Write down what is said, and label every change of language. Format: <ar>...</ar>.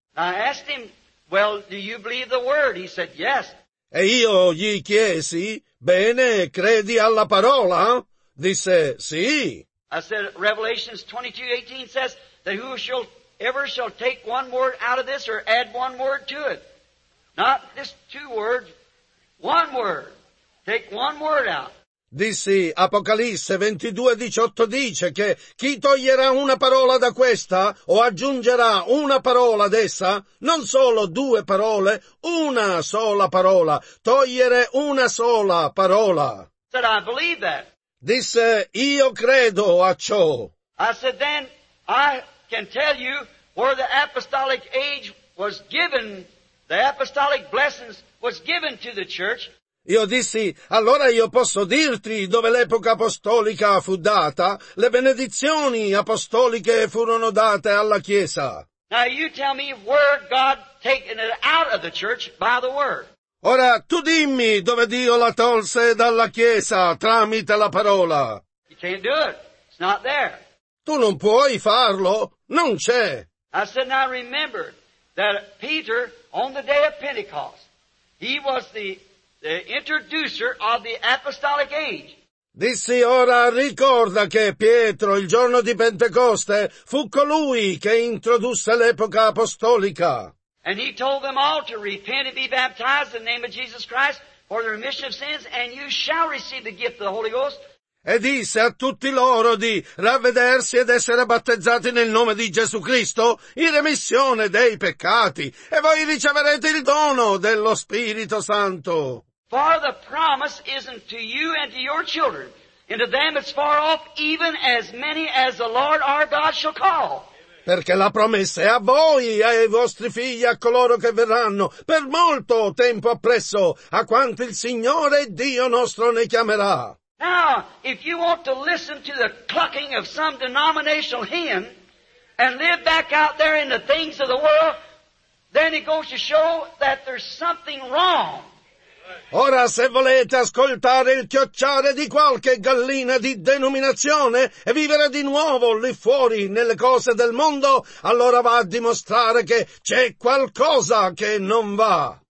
<en>I asked him, well, do you believe the word? He said, yes.</en> <it>E io gli chiesi, bene, credi alla parola? Disse, sì.</it> <en>I said, Revelations 22:18 says that whosoever shall take one word out of this or add one word to it. Not just two words, one word. Take one word out.</en> <it>Dissi, Apocalisse 22:18 dice che chi toglierà una parola da questa o aggiungerà una parola ad essa, non solo due parole, una sola parola. Togliere una sola parola.</it> <en>Said, I believe that.</en> <it>Disse, io credo a ciò.</it> <en>I said, then I can tell you where the apostolic age was given. The apostolic blessings was given to the church.</en> <it>Io dissi, allora io posso dirti dove l'epoca apostolica fu data, le benedizioni apostoliche furono date alla Chiesa.</it> <en>Now you tell me where God taken it out of the church by the word.</en> <it>Ora tu dimmi dove Dio la tolse dalla Chiesa tramite la parola.</it> <en>You can't do it. It's not there.</en> <it>Tu non puoi farlo. Non c'è.</it> <en>I said, now remember that Peter, on the day of Pentecost, he was the introducer of the apostolic age.</en> <it>Dissi, ora ricorda che Pietro, il giorno di Pentecoste, fu colui che introdusse l'epoca apostolica.</it> <en>And he told them all to repent and be baptized in the name of Jesus Christ for the remission of sins, and you shall receive the gift of the Holy Ghost.</en> <it>e disse a tutti loro di ravvedersi ed essere battezzati nel nome di Gesù Cristo in remissione dei peccati, e voi riceverete il dono dello Spirito Santo.</it> <en>For the promise is unto you and to your children, and to them that's far off, even as many as the Lord our God shall call.</en> <it>Perché la promessa è a voi, ai vostri figli, a coloro che verranno, per molto tempo appresso, a quanti il Signore Dio nostro ne chiamerà.</it> <en>Now, if you want to listen to the clucking of some denominational hen and live back out there in the things of the world, then it goes to show that there's something wrong.</en> <it>Ora, se volete ascoltare il chiocciare di qualche gallina di denominazione e vivere di nuovo lì fuori nelle cose del mondo, allora va a dimostrare che c'è qualcosa che non va.</it>